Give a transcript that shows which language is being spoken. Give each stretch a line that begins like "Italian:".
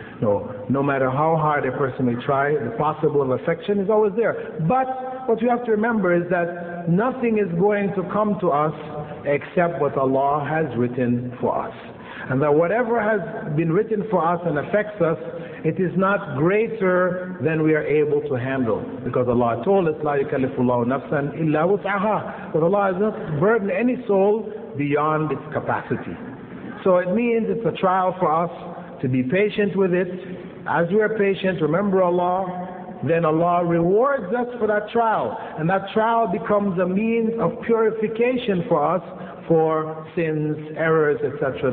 English: No, no matter how hard a person may try, the possible of affection is always there. But what you have to remember is that nothing is going to come to us except what Allah has written for us. And that whatever has been written for us and affects us, it is not greater than we are able to handle. Because Allah told us,
Arabic: لا يكلف الله نفسا إلا وسعها.
English: But Allah has not burdened any soul beyond its capacity. So it means it's a trial for us to be patient with it. As we are patient, remember Allah, then Allah rewards us for that trial. And that trial becomes a means of purification for us for sins, errors, etc.